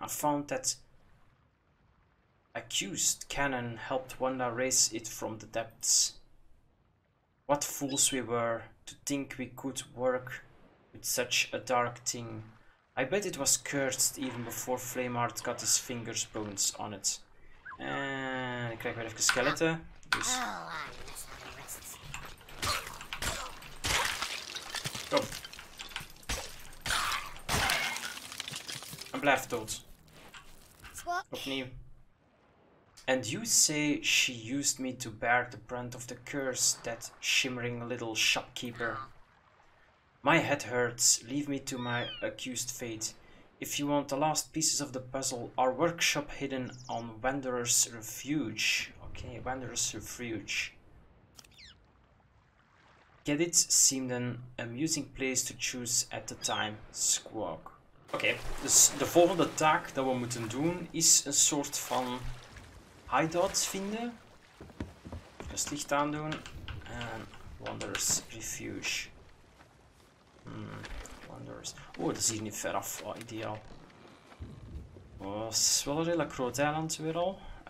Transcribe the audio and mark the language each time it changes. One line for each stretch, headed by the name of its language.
English: I found that accused cannon helped Wanda raise it from the depths. What fools we were to think we could work with such a dark thing. I bet it was cursed even before Flameheart got his fingers bones on it.
Dutch: En ik krijg weer even skeletten. Dus... Kom. En blijf dood.
English: What?
Dutch: Opnieuw.
English: And you say she used me to bear the brunt of the curse, that shimmering little shopkeeper. My head hurts. Leave me to my accursed fate. If you want the last pieces of the puzzle, our workshop hidden on Wanderer's Refuge. Okay, Wanderer's Refuge. Gedit seemed an amusing place to choose at the time. Squawk.
Dutch: Okay, dus de volgende taak dat we moeten doen is een soort van hideout vinden. Dus licht aandoen. En Wanderer's Refuge. Wanderers. Oh, dat is hier niet ver af. Oh, ideaal. Oh, dat is wel een redelijk groot eiland weer al.